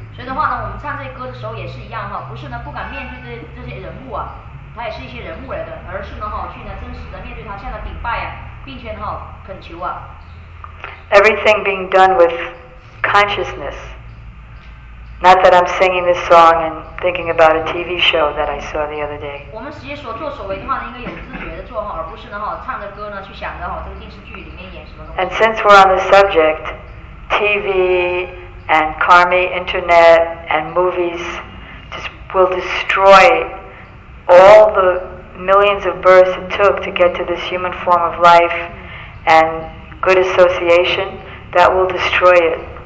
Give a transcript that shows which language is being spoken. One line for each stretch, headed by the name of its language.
Chinese: 所以的话呢，我们唱这些歌的时候也是一样哈，不是呢不敢面对这些人物啊。他也是一些人物来的，而是呢哈，去呢真实的面对他，向他顶拜啊，并且哈恳求啊。
English: Everything being done with consciousness. Not that I'm singing this song and thinking about a TV show that I saw the other day.
Chinese: 我们实际所作所为的话呢，应该有自觉的做哈，而不是呢哈唱着歌呢去想着哈这个电视剧里面演什么东西。
English: And since we're on the subject, TV and karma, internet and movies just will destroy. All the millions of births it took to get to this human form of life and good association, that will destroy it.